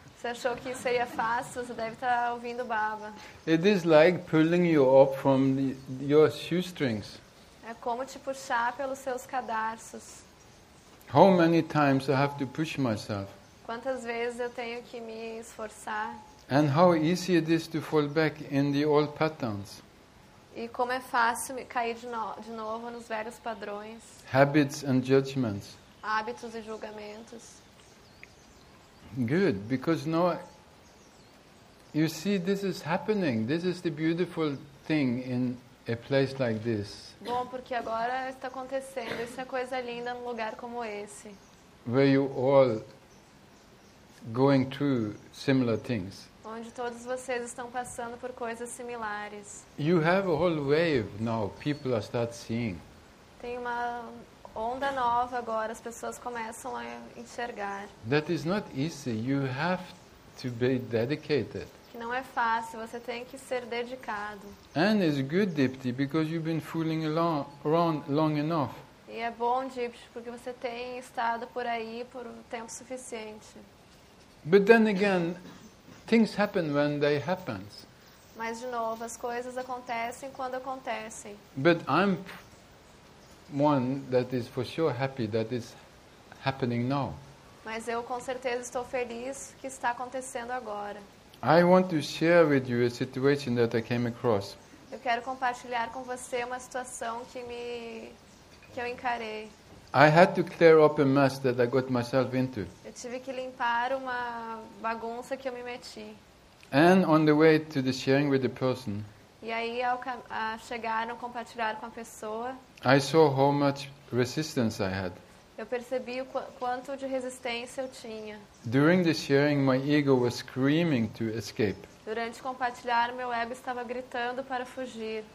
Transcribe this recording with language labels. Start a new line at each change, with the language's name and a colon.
Portuguese: Você achou que isso seria fácil? Você deve estar ouvindo Baba.
English: It is like pulling you up from your shoestrings.
Portuguese: É como te puxar pelos seus cadarços.
English: How many times I have to push myself?
Portuguese: Quantas vezes eu tenho que me esforçar?
English: And how easy it is to fall back in the old patterns?
Portuguese: E como é fácil cair de novo nos velhos padrões?
English: Habits and judgments.
Portuguese: Hábitos e julgamentos.
English: Good, because now you see this is happening. This is the beautiful thing in a place like this.
Portuguese: Bom, porque agora está acontecendo. Isso é coisa linda num lugar como esse.
English: Where you all going through similar things.
Portuguese: Onde todos vocês estão passando por coisas similares.
English: You have a whole wave now. People are start seeing.
Portuguese: Tem uma onda nova agora. As pessoas começam a enxergar.
English: That is not easy. You have to be dedicated.
Portuguese: Que não é fácil, você tem que ser dedicado.
English: And it's good, Dipti, because you've been fooling around long enough.
Portuguese: E é bom, Dipti, porque você tem estado por aí por um tempo suficiente.
English: But then again, things happen when they happen.
Portuguese: Mas de novo, as coisas acontecem quando acontecem.
English: But I'm one that is for sure happy that it's happening now.
Portuguese: Mas eu com certeza estou feliz que está acontecendo agora.
English: I want to share with you a situation that I came across.
Portuguese: Eu quero compartilhar com você uma situação que eu encarei.
English: I had to clear up a mess that I got myself into.
Portuguese: Eu tive que limpar uma bagunça que eu me meti.
English: And on the way to the sharing with the person.
Portuguese: E aí ao chegar no compartilhar com a pessoa.
English: I saw how much resistance I had.
Portuguese: Eu percebi o quanto de resistência eu tinha.
English: During the sharing, my ego was screaming to escape.
Portuguese: Durante compartilhar, meu ego estava gritando para fugir.